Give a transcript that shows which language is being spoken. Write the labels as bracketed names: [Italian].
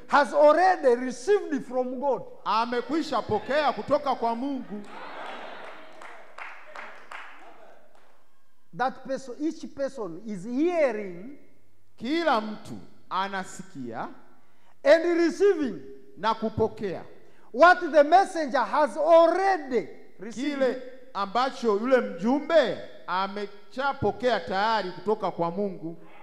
[English] has already received from God. [Swahili] Amekwisha pokea kutoka kwa Mungu. [English] That person, each person is hearing, [Swahili] kila mtu anasikia, [English] and receiving, [Swahili] na kupokea, [English] what the messenger has already received, [Swahili] kile ambacho yule mjumbe amechapokea tayari kutoka kwa Mungu.